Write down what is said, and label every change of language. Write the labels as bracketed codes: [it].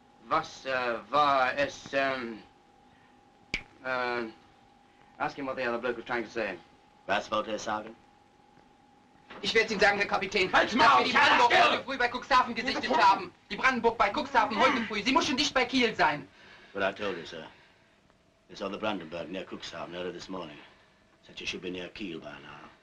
[de] Was war es, [en] ask him what the other bloke was trying to say. [de] Was wollte er sagen? Ich werde es ihm sagen, Herr Kapitän. Halt's Maul! Dass wir die Brandenburg heute früh bei Cuxhaven gesichtet haben. Die Brandenburg bei Cuxhaven heute früh. Sie muss schon dicht bei Kiel sein. [en] Well, I told you, sir. It's on the Brandenburg near Cuxhaven early this morning. Said you should be near Kiel by now.